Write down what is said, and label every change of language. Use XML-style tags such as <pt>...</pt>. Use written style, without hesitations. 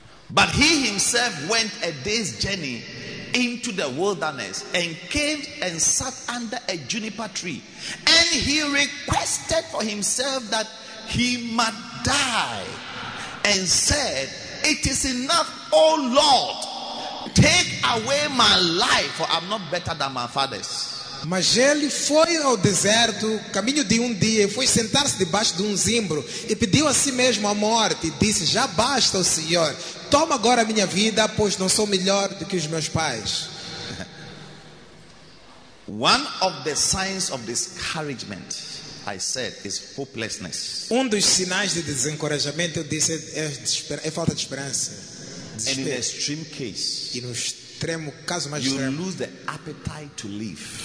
<en>But he himself went a day's journey into the wilderness and came and sat under a juniper tree. And he requested for himself that he might die and said, "It is enough, O Lord, take away my life, for I'm not better than my fathers."</en> <pt>Mas ele foi ao deserto, caminho de dia, e foi sentar-se debaixo de zimbro, e pediu a si mesmo a morte, e disse, já basta o Senhor, toma agora a minha vida, pois não sou melhor do que os meus pais.</pt> <en>One of the signs of discouragement, I said, is hopelessness.</en> <pt>Dos sinais de desencorajamento, eu disse, é falta de esperança.</pt> <en>And in the extreme case,</en> <pt>caso mais you extremo.</pt> <en>Lose the appetite to live.</en>